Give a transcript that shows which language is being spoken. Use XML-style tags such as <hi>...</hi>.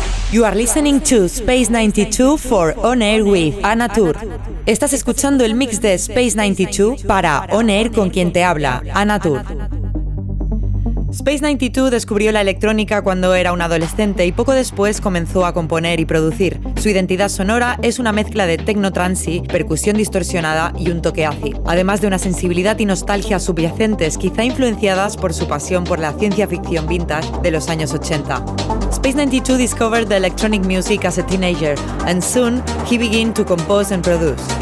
<en>You are listening to Space 92 for On Air with Ana Tur.</en> <es>Estás escuchando el mix de Space 92 para On Air con quien te habla, Ana Tur. Space 92 descubrió la electrónica cuando era un adolescente y poco después comenzó a componer y producir. Su identidad sonora es una mezcla de techno-trancy, percusión distorsionada y un toque acid, además de una sensibilidad y nostalgia subyacentes, quizá influenciadas por su pasión por la ciencia ficción vintage de los años 80.</es> <en>Space 92 discovered the electronic music as a teenager, and soon he began to compose and produce.</en>